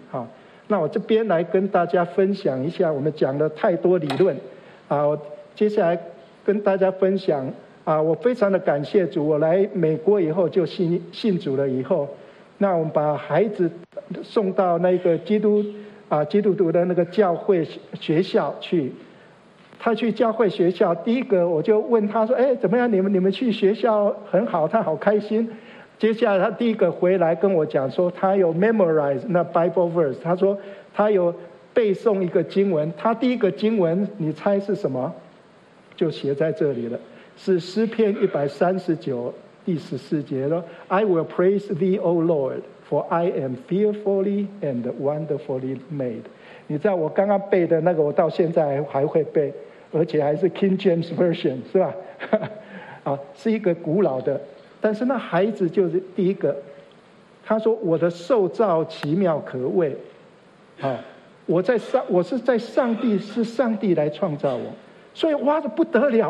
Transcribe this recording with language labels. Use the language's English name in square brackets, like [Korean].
[Chinese] 好，那我这边来跟大家分享一下，我们讲了太多理论啊，我接下来跟大家分享啊，我非常的感谢主，我来美国以后就信主了以后，那我们把孩子送到那个基督徒的那个教会学校去，他去教会学校，第一个我就问他说，哎，怎么样？你们去学校很好，他好开心。接下来他第一个回来跟我讲说，他有 memorize 那 Bible verse， 他说他有背诵一个经文，他第一个经文你猜是什么？就写在这里了，是诗篇139第14节的 [English] I will praise thee O Lord for I am fearfully and wonderfully made。 [Chinese] 你知道我刚刚背的那个我到现在还会背，而且还是 King James Version 是吧啊，是一个古老的。但是那孩子就是第一个，他说我的受造奇妙可畏，我是上帝来创造我，所以哇得不得了。